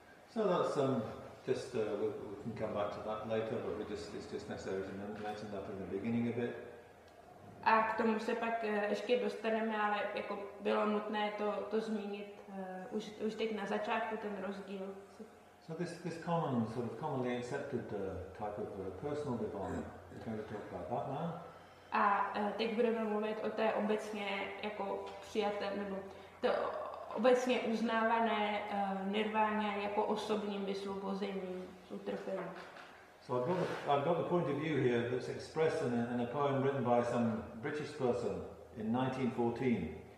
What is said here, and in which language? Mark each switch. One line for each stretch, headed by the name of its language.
English: So that's we can come back to that later, but it's just necessary to mention that in the beginning of it.
Czech: A k tomu se pak ještě dostaneme, ale jako bylo nutné to zmínit. Už teď na začátku ten rozdíl.
English: So this common sort of commonly accepted type of personal divine. We're going to talk about that now.
Czech: A teď budeme mluvit o té obecně jako přijaté nebo to obecně uznávané nirváně jako osobním vysvobozením z utrpení.
English: So I've got the point of view here that's expressed in a poem written by some British person in 1914.